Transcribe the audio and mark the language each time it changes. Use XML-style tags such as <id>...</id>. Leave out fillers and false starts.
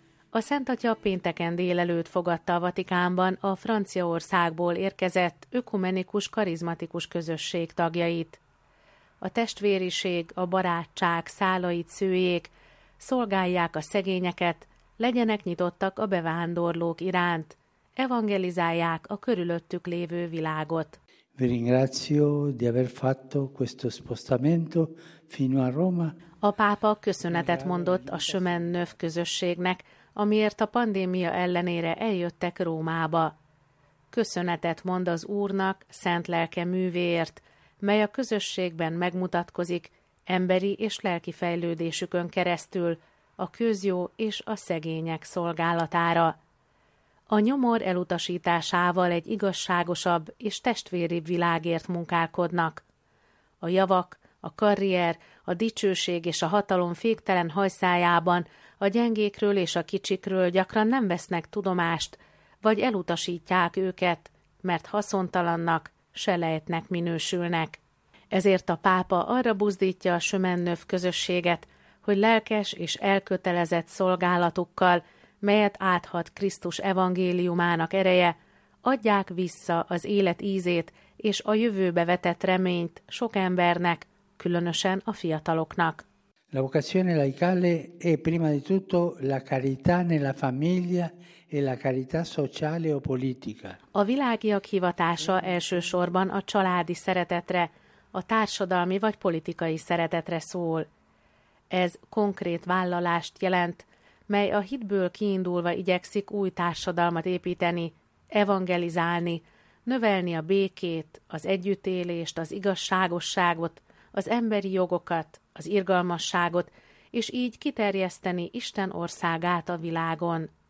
<hu>A Szent Atya pénteken délelőtt fogadta a Vatikánban a Franciaországból érkezett ökumenikus karizmatikus közösség tagjait. A testvériség, a barátság szálait szőjék, szolgálják a szegényeket, legyenek nyitottak a bevándorlók iránt, evangelizálják a körülöttük lévő világot.</hu> <it>Vi ringrazio di aver fatto questo spostamento fino a Roma.</it> <hu>A pápa köszönetet mondott a Sömennöv közösségnek, amiért a pandémia ellenére eljöttek Rómába. Köszönetet mond az Úrnak, szent lelke művéért, mely a közösségben megmutatkozik emberi és lelki fejlődésükön keresztül, a közjó és a szegények szolgálatára. A nyomor elutasításával egy igazságosabb és testvéribb világért munkálkodnak. A javak, a karrier, a dicsőség és a hatalom féktelen hajszájában a gyengékről és a kicsikről gyakran nem vesznek tudomást, vagy elutasítják őket, mert haszontalannak, selejtnek minősülnek. Ezért a pápa arra buzdítja a Sömennöv közösséget, hogy lelkes és elkötelezett szolgálatukkal, melyet áthat Krisztus evangéliumának ereje, adják vissza az élet ízét és a jövőbe vetett reményt sok embernek, különösen a fiataloknak.</hu> <it>La vocazione laicale è prima di tutto la carità nella famiglia e la carità sociale o politica.</it> <hu>A világiak hivatása elsősorban a családi szeretetre, a társadalmi vagy politikai szeretetre szól. Ez konkrét vállalást jelent, mely a hitből kiindulva igyekszik új társadalmat építeni, evangelizálni, növelni a békét, az együttélést, az igazságosságot, az emberi jogokat, az irgalmasságot, és így kiterjeszteni Isten országát a világon.</hu>